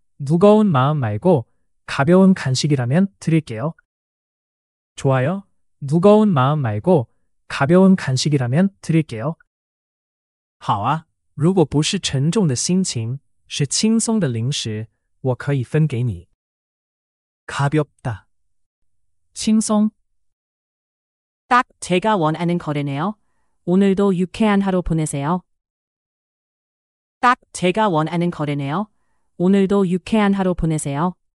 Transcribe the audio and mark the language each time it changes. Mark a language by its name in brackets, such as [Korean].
[Korean] 무거운 마음 말고 가벼운 간식이라면 드릴게요. 좋아요. 무거운 마음 말고 가벼운 간식이라면 드릴게요. [Chinese] 好啊。如果不是沉重的心情，是轻松的零食，我可以分给你。 [Korean] 가볍다. [Chinese] 轻松. [Korean] 딱 제가 원하는 거래네요. 오늘도 유쾌한 하루 보내세요. 딱 제가 원하는 거래네요. 오늘도 유쾌한 하루 보내세요.